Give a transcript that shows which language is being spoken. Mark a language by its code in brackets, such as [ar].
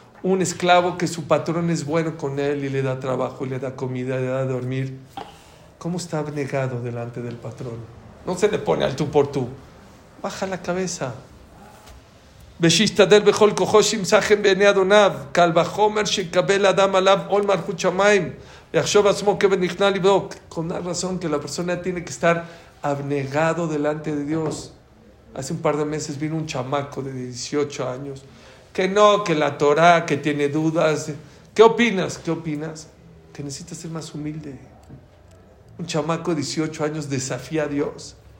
[es] Un esclavo que su patrón es bueno con él y le da trabajo y le da comida y le da dormir, ¿cómo está abnegado delante del patrón? No se le pone al tú por tú, baja la cabeza. [he] ושישתדל בכל כוחו שימצחם בעיני אדוניו, קל וחומר שיקבל אדם עליו עול מלכות שמיים, יחשוב עצמו כבד נכנע לבדו. [es] Con razón que la persona tiene que estar abnegado delante de Dios. Hace un par de meses vino un chamaco de 18 años. Que no, que la Torah, que tiene dudas. ¿Qué opinas? ¿Qué opinas? Que necesitas ser más humilde. Un chamaco de 18 años desafía a Dios.